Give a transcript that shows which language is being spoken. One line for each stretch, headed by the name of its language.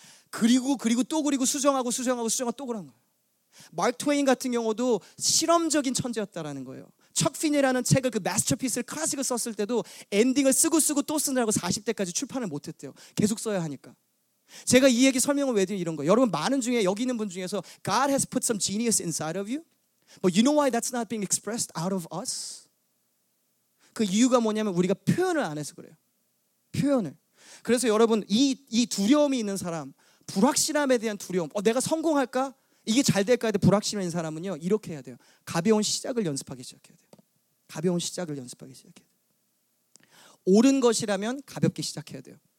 Korean: 그리고 또 그리고 수정하고 또 그런 거예요. 마크 트웨인 같은 경우도 실험적인 천재였다라는 거예요. 척 피니라는 책을 그 마스터피스를 클래식을 썼을 때도 엔딩을 쓰고 또 쓰느라고 40대까지 출판을 못했대요. 계속 써야 하니까. 제가 이 얘기 설명을 왜 드린 이런 거예요. 여러분 많은 중에 여기 있는 분 중에서
English: God has put some genius inside of you. But you know why that's not being expressed out of us?
Korean: 그 이유가 뭐냐면 우리가 표현을 안 해서 그래요. 표현을. 그래서 여러분 이 두려움이 있는 사람, 불확실함에 대한 두려움. 내가 성공할까? 이게 잘 될까? 해도 불확실한 사람은요 이렇게 해야 돼요. 가벼운 시작을 연습하기 시작해야 돼요. 가벼운 시작을 연습하기 시작해야 돼요. 옳은 것이라면 가볍게 시작해야 돼요.